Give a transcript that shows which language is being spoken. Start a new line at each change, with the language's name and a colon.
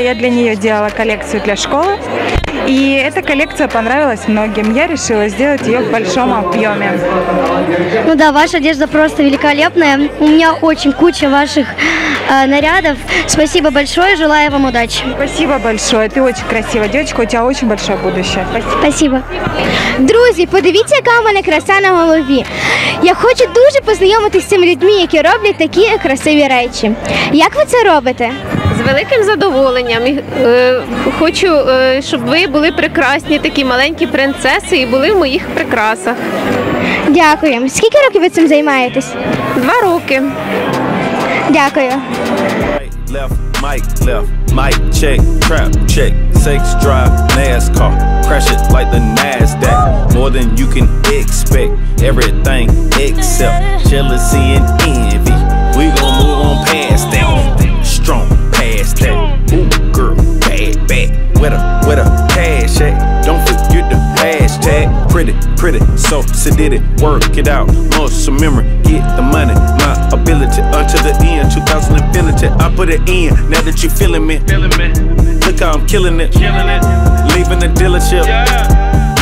Russian: Я для нее делала коллекцию для школы. И эта коллекция понравилась многим. Я решила сделать ее в большом объеме. Ну да, ваша одежда просто великолепная. У меня очень куча ваших нарядов. Спасибо большое, желаю вам удачи. Спасибо большое, ты очень красивая девочка, у тебя очень большое будущее. Спасибо. Спасибо.
Ukrainian: Друзья, подивіться, яка у мене краса на голові. Я хочу дуже познайомитися з цими людьми, які роблять такі красиві речі. Як ви це робите? З великим задоволенням. Хочу, щоб ви були прекрасні, такі маленькі принцеси, і були в моїх прикрасах. Дякую. Скільки років ви цим займаєтесь? 2 роки. Дякую.
English: Mic check, trap check, sex drive, NASCAR, crash it like the NASDAQ, more than you can expect, everything except jealousy and envy, we gon' move on past that, strong past that, ooh girl, bad back, with a cash at, don't forget the hashtag, pretty, pretty, so sedated, work it out, muscle memory, get the money, my ability, until the end, 2000 infinity, I put it in, now that you feeling me, look how I'm killing it, leaving the dealership, yeah.